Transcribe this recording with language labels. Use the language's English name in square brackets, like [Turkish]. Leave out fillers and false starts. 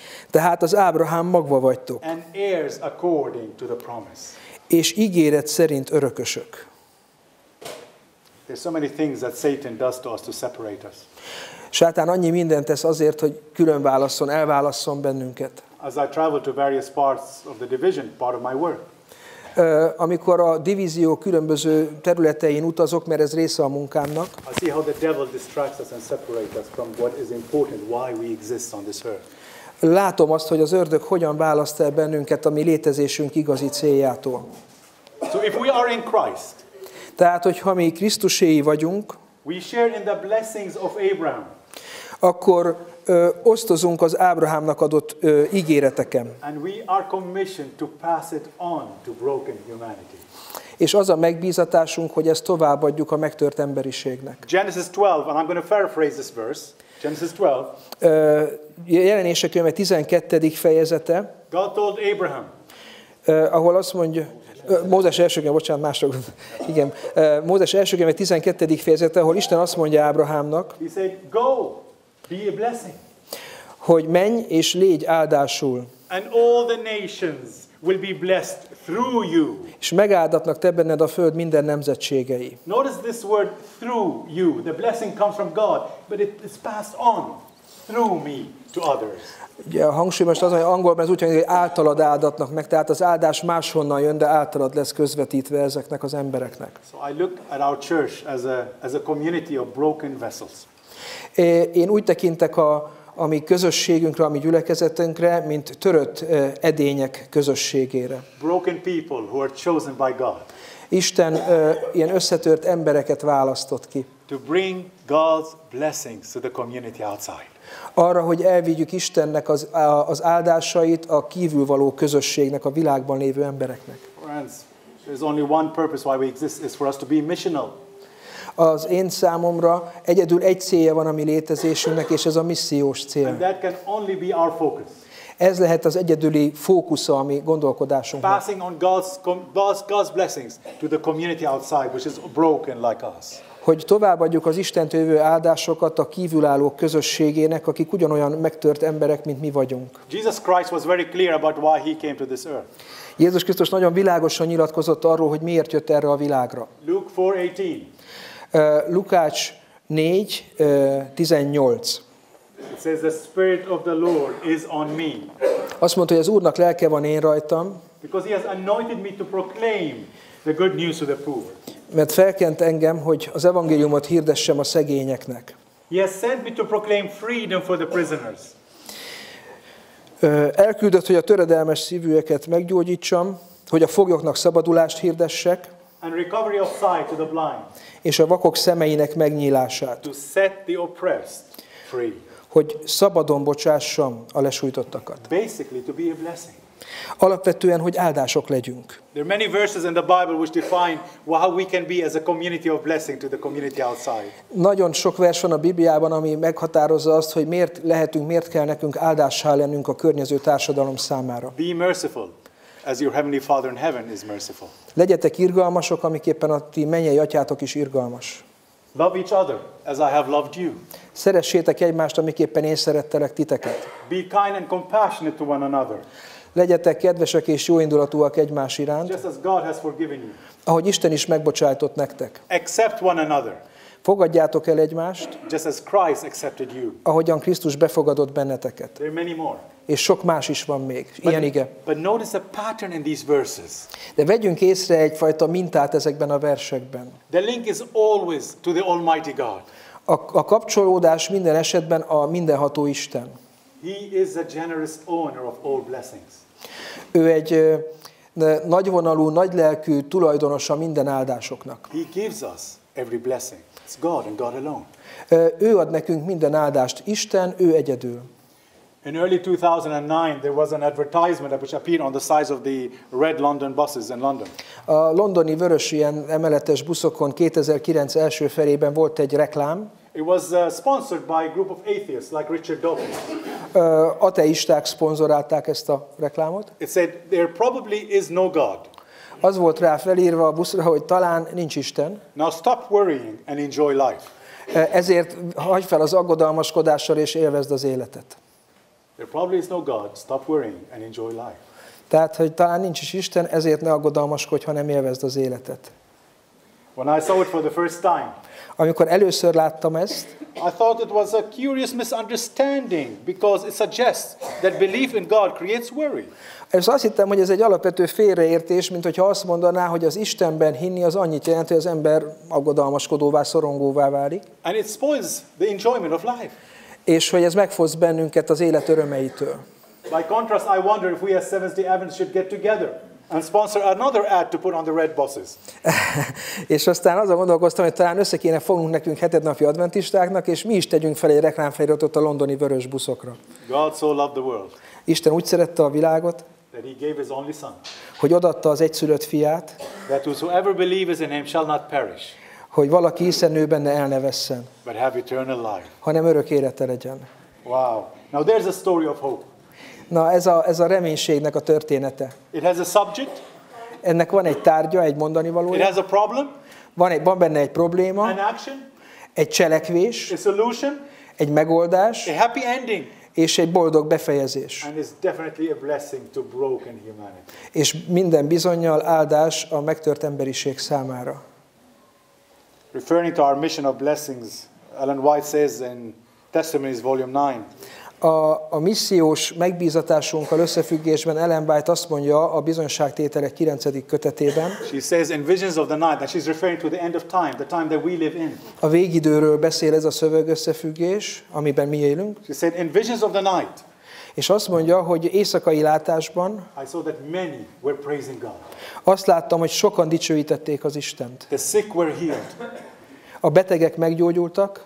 [Hungarian] Tehát az Ábrahám magva vagytok. [English] And heirs according to the promise. [Hungarian] És ígéret szerint örökösök. [English] There's so many things that Satan does to us to separate us. [Hungarian] Sátán annyi mindent tesz azért, hogy különválasszon, elválasszon bennünket. [English] As I travel to various parts of the division, part of my work. [Hungarian] Amikor a divízió különböző területein utazok, mert ez része a munkámnak. [English] I see how the devil distracts us and separates us from what is important, why we exist on this earth. [Hungarian] Látom azt, hogy az ördög hogyan választ el bennünket a mi létezésünk igazi céljától. [English] So if we are in Christ, [Hungarian] tehát, hogyha mi Krisztuséi vagyunk, [English] we share in the blessings of Abraham, [Hungarian] akkor osztozunk az Ábrahámnak adott ígéreteken. [English] And we are commissioned to pass it on to broken humanity. [Hungarian] És az a megbízatásunk, hogy ezt továbbadjuk a megtört emberiségnek. [English] Genesis 12, and I'm going to paraphrase this verse. Genesis [Hungarian] 12. Jelenések könyve 12. fejezete. [English] God told Abraham. [Hungarian] Ahol azt mondja, Mózes első könyve, bocsánat, mások. Igen. Mózes első könyve 12. fejezete, ahol Isten azt mondja Ábrahámnak. [English] He said, go, be a blessing. [Hungarian] Hogy menj és légy áldásul. [English] And all the nations will be blessed through you. [Hungarian] És megáldatnak te benned a föld minden nemzetségei. [English] Notice this word through you. The blessing comes from God, but it is passed on through me to others. [Hungarian] Ugye a hangsúly most az, hogy angolban ez úgy hangzik, hogy általad áldatnak meg, tehát az áldás máshonnan jön, de általad lesz közvetítve ezeknek az embereknek. [English] So I look at our church as a community of broken vessels. [Hungarian] Én úgy tekintek a mi közösségünkre, a mi gyülekezetünkre, mint törött edények közösségére. [English] Broken people who are chosen by God. [Hungarian] Isten ilyen összetört embereket választott ki. [English] To bring God's blessings to the community outside. [Hungarian] Arra, hogy elvigyük Istennek az áldásait a kívülvaló közösségnek, a világban lévő embereknek. [English] Friends, there's only one purpose why we exist, is for us to be missional. [Hungarian] Az én számomra egyedül egy célja van a mi létezésünknek, és ez a missziós cél. [English] And that can only be our focus. [Hungarian] Ez lehet az egyedüli fókusza a mi gondolkodásunknak. [English] Passing on God's blessings to the community outside, which is broken like us. [Hungarian] Hogy továbbadjuk az Istentől jövő áldásokat a kívülállók közösségének, akik ugyanolyan megtört emberek, mint mi vagyunk. [English] Jesus Christ was very clear about why he came to this earth. [Hungarian] Jézus Krisztus nagyon világosan nyilatkozott arról, hogy miért jött erre a világra. [English] Luke 4:18. [Hungarian] Lukács 4, 18. [English] It says the Spirit of the Lord is on me. [Hungarian] Azt mondta, hogy az Úrnak lelke van én rajtam. [English] Because he has anointed me to proclaim the good news to the poor. [Hungarian] Mert felkent engem, hogy az evangéliumot hirdessem a szegényeknek. [English] He has sent me to proclaim freedom for the prisoners. [Hungarian] Elküldött, hogy a töredelmes szívűeket meggyógyítsam, hogy a foglyoknak szabadulást hirdessek, [English] and recovery of sight to the blind. [Hungarian] És a vakok szemeinek megnyílását, [English] to set the oppressed free. [Hungarian] Hogy szabadon bocsássam a lesújtottakat. [English] Basically, to be a blessing. [Hungarian] Alapvetően, hogy áldások legyünk. [English] There are many verses in the Bible which define how we can be as a community of blessing to the community outside. [Hungarian] Nagyon sok vers van a Bibliában, ami meghatározza azt, hogy miért lehetünk, miért kell nekünk áldássá lennünk a környező társadalom számára. [English] Be merciful, as your heavenly Father in heaven is merciful. [Hungarian] Legyetek irgalmasok, amiképpen a ti mennyei atyátok is irgalmas. [English] Love each other, as I have loved you. [Hungarian] Szeressétek egymást, amiképpen én szerettelek titeket. [English] Be kind and compassionate to one another. [Hungarian] Legyetek kedvesek és jóindulatúak egymás iránt, [English] just as God has forgiven you. [Hungarian] Ahogy Isten is megbocsájtott nektek. [English] Accept one another. [Hungarian] Fogadjátok el egymást, [English] just as Christ accepted you. [Hungarian] Ahogyan Krisztus befogadott benneteket. [English] There are many more. [Hungarian] És sok más is van még. Ilyen [English] but, [Hungarian] ige. [English] But notice a pattern in these verses. [Hungarian] De vegyünk észre egyfajta mintát ezekben a versekben. [English] The link is always to the Almighty God. [Hungarian] A kapcsolódás minden esetben a mindenható Isten. [English] He is a generous owner of all blessings. [Hungarian] Ő egy nagyvonalú, nagylelkű tulajdonosa minden áldásoknak. [English] He gives us every blessing. It's God and God alone. [Hungarian] Ő ad nekünk minden áldást, Isten, ő egyedül. [English] In early 2009 there was an advertisement which appeared on the sides of the red London buses in London. [Hungarian] A londoni vörös ilyen emeletes buszokon 2009 első felében volt egy reklám. [English] It was sponsored by a group of atheists like Richard Dawkins. [Hungarian] Ateisták szponzorálták ezt a reklámot. [English] It said there probably is no God. [Hungarian] Az volt rá felírva a buszra, hogy talán nincs Isten. [English] Now stop worrying and enjoy life. [Hungarian] Ezért hagyj fel az aggodalmaskodással és élvezd az életet. [English] There probably is no God. Stop worrying and enjoy life. [Hungarian] Tehát, hogy talán nincs is Isten, ezért ne aggodalmaskodj, hanem élvezd az életet. [English] When I saw it for the first time, [Hungarian] amikor először láttam ezt, [English] I thought it was a curious misunderstanding because it suggests that belief in God creates worry. [Hungarian] És azt hittem, hogy ez egy alapvető félreértés, mint hogyha azt mondaná, hogy az Istenben hinni az annyit jelent, hogy az ember aggodalmaskodóvá, szorongóvá válik. [English] And it spoils the enjoyment of life. [Hungarian] És hogy ez megfosz bennünket az élet örömeitől. [English] By contrast, I wonder if we as Seventh-day Adventists should get together and sponsor another ad to put on the red buses. [Hungarian] És aztán azon gondolkoztam, hogy talán össze kéne fognunk nekünk hetednapi adventistáknak, és mi is tegyünk fel egy reklámfeliratot a londoni vörös buszokra. [English] God so loved the world. [Hungarian] Isten úgy szerette a világot, [English] that he gave his only son. [Hungarian] Hogy odaadta az egyszülött fiát, [English] that whosoever believes in him shall not perish. [Hungarian] Hogy valaki hiszen ő benne el ne vesszen, [English] but have eternal life. [Hungarian] Hanem örök élete legyen. [English] Wow. Now there's a story of hope. [Hungarian] Na, ez a reménységnek a története. [English] It has a subject. [Hungarian] Ennek van egy tárgya, egy mondani valója. [English] It has a problem. [Hungarian] Van benne egy probléma. [English] An action. [Hungarian] Egy cselekvés. [English] A solution. [Hungarian] Egy megoldás. [English] A happy ending. [Hungarian] És egy boldog befejezés. [English] And it's definitely a blessing to broken humanity. [Hungarian] És minden bizonnyal áldás a megtört emberiség számára. [English] Referring to our mission of blessings, Ellen White says in Testimonies Volume 9. [Hungarian] A missziós megbízatásunkkal összefüggésben Ellen White azt mondja a bizonyságtételek 9. kötetében. [English] She says in Visions of the Night that she's referring to the end of time, the time that we live in. [Hungarian] A végidőről beszél ez a szöveg összefüggés, amiben mi élünk. [English] She said in Visions of the Night. [Hungarian] És azt mondja, hogy éjszakai látásban [English] I saw that many were praising God. [Hungarian] Azt láttam, hogy sokan dicsőítették az Istent. [English] The sick were healed. [Hungarian] A betegek meggyógyultak,